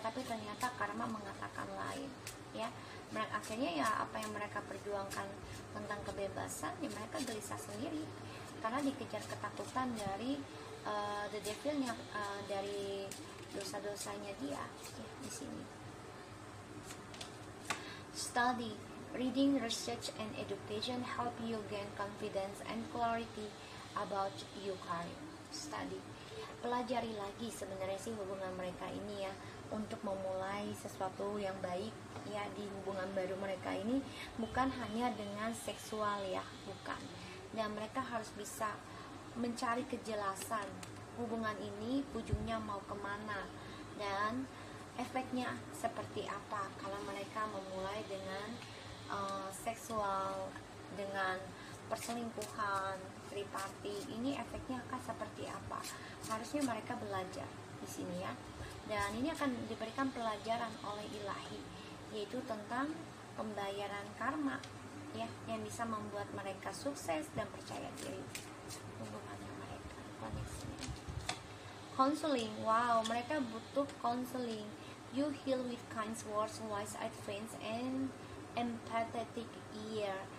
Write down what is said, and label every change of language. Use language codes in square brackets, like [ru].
[id] Tapi ternyata karma mengatakan lain, ya. Mereka akhirnya, ya, apa yang mereka perjuangkan tentang kebebasan, ya, mereka gelisah sendiri karena dikejar ketakutan dari the devilnya, dari dosa-dosanya dia, ya, di sini. [en] Study, reading, research, and education help you gain confidence and clarity about your career. [id] Study, pelajari lagi sebenarnya sih hubungan mereka ini, ya, untuk memulai sesuatu yang baik, ya, di hubungan baru mereka ini, bukan hanya dengan seksual, ya, bukan. Dan mereka harus bisa mencari kejelasan hubungan ini ujungnya mau kemana dan efeknya seperti apa kalau mereka memulai dengan seksual, dengan perselingkuhan, 3PARTY, ini efeknya akan seperti apa. Harusnya mereka belajar di sini, ya. Dan ini akan diberikan pelajaran oleh Ilahi, yaitu tentang pembayaran karma, ya, yang bisa membuat mereka sukses dan percaya diri hubungannya mereka. Koneksinya. Counseling, wow, mereka butuh counseling. [en] You heal with kind words, wise advice, and empathetic ear.